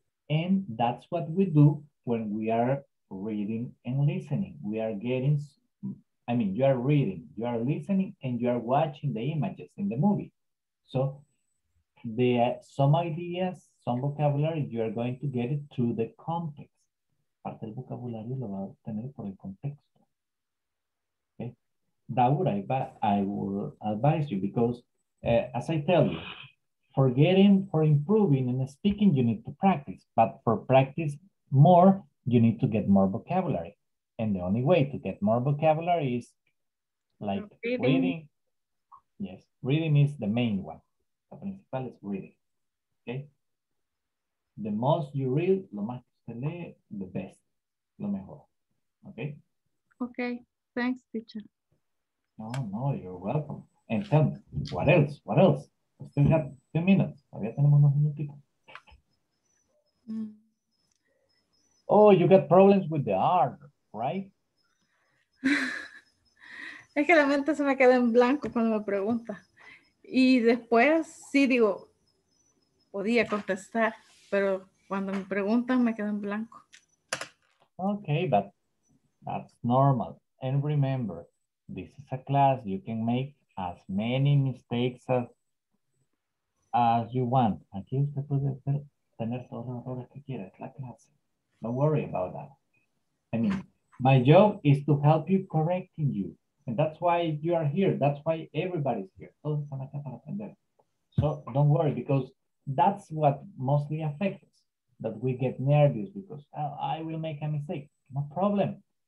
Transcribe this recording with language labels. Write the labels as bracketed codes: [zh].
[en] And that's what we do when we are reading and listening. We are getting, I mean, you are reading, you are listening, and you are watching the images in the movie. So the some ideas, some vocabulary, you are going to get it through the context. [es] Parte del vocabulario lo va a obtener por el contexto. [en] Okay. That would I would advise you, because as I tell you, for getting, for improving in speaking, you need to practice. But for practice more, you need to get more vocabulary. And the only way to get more vocabulary is like reading. Yes, reading is the main one. The principal is reading, okay? The most you read, [es] lo más que usted lee, [en] the best, [es] lo mejor, [en] okay? Okay, thanks, teacher. No, no, you're welcome. And tell me, what else, what else? We still have 2 minutes. [es] Todavía tenemos unos minutitos. [en] Oh, you got problems with the R, right? [es] Es que la mente se me queda en blanco cuando me pregunta. Y después, sí, digo, podía contestar, pero cuando me preguntan me quedo en blanco. [en] Okay, but that's normal. And remember, this is a class, you can make as many mistakes as you want. [es] Aquí usted puede hacer, tener todos los errores que quiera, es la clase. [en] Don't worry about that. I mean, my job is to help you correcting you. And that's why you are here. That's why everybody's here. [es] Todos están acá para aprender. [en] So don't worry, because that's what mostly affects us, that we get nervous because I will make a mistake. No problem.